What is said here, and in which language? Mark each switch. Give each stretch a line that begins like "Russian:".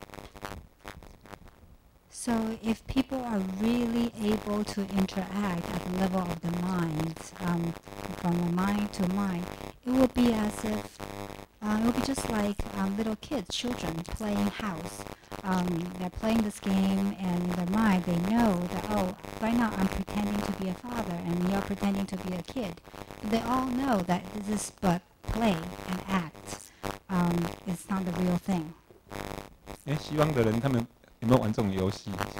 Chinese: 他说啊，我当什么爸爸，你当妈妈，而小孩子知道他们是不是爸爸，不是，可是他可以讲到哇什么什么，可是他们知道他不是爸爸。
English: So if people are really able to interact at the level of the mind, from a mind to mind, it would be as if it would be just like little kids, children playing house. They're playing this game, and in their mind, they know that, oh, right now I'm pretending to be a father, and you're pretending to be a kid. But they all know that this is but play and act. It's not the real thing.
Chinese: 欸，西方的人他们有没有玩这种游戏？